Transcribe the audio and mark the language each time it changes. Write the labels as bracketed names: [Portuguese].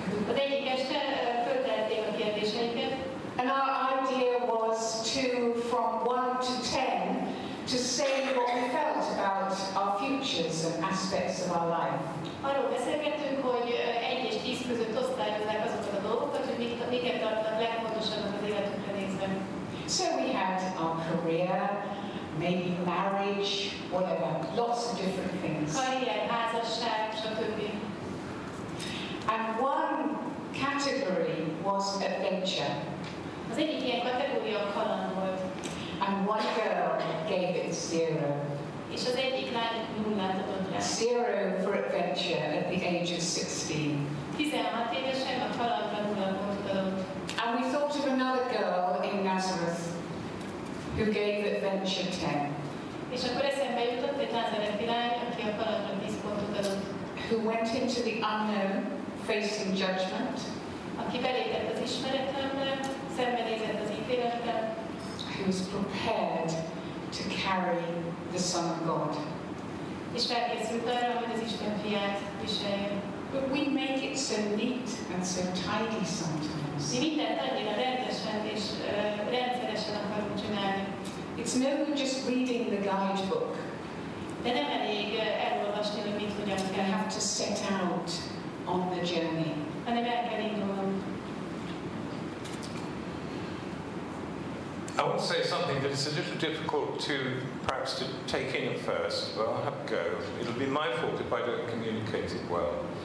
[Hungarian] Az egyik este föltették a kérdéseinket. [English] And our idea was to, from 1 to 10, to say what we felt about our futures and aspects of our life. [Hungarian] Arról beszélgettünk, hogy 1 és 10 között osztályoznak azokat a dolgokat, hogy miket tartanak legfontosabbnak az életünkre nézve. [English] So we had our career, maybe marriage, whatever, lots of different things. [Hungarian] Karrier, házasság, stb. [English] And one category was adventure. [Hungarian] Az egyik ilyen kategória kaland volt. [English] And one girl gave it 0. [Hungarian] És az egyik lány nullát adott rá. [English] 0 for adventure at the age of 16. [Hungarian] 16 évesen a kalandra nullát adott. [English] And we thought of another girl in Nazareth who gave adventure 10. [Hungarian] És akkor eszembe jutott egy názareti lány, aki a kalandra 10 pontot adott. [English] Who went into the unknown, facing judgment. [Hungarian] Aki belépett az ismeretlenbe, szembenézett az ítéletben. [English] Who was prepared to carry the Son of God. [Hungarian] És felkészült arra, hogy az Isten fiát viseljen. [English] But we make it so neat and so tidy sometimes. [Hungarian] Mi mindent annyira rendesen és rendszeresen akarunk csinálni. [English] It's no good just reading the guidebook. [Hungarian] De nem elég elolvasni, hogy mit hogyan kell. [English] You have to set out on the journey. And then I can indulge. I want to say something that's a little difficult to perhaps to take in at first, but I'll have a go. It'll be my fault if I don't communicate it well.